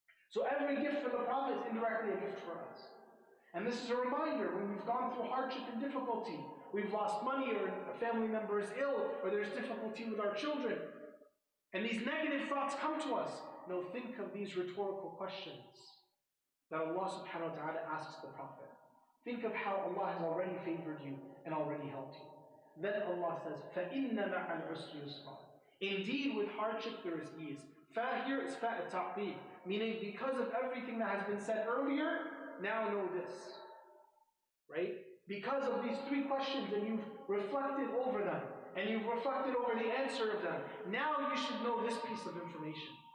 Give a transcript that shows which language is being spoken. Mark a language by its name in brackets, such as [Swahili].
[English] So every gift for the Prophet is indirectly a gift for us. And this is a reminder, when we've gone through hardship and difficulty, we've lost money or a family member is ill or there's difficulty with our children, and these negative thoughts come to us, no, think of these rhetorical questions that Allah subhanahu wa ta'ala asks the Prophet. Think of how Allah has already favored you and already helped you. [Arabic] Then Allah says, فَإِنَّ مَعَ الْعُسْرِ يُسْرًا. [English] Indeed, with hardship there is ease. Fa here is fa at-taqdeed, meaning because of everything that has been said earlier, now know this. Right? Because of these three questions and you've reflected over them, and you've reflected over the answer of them, now you should know this piece of information.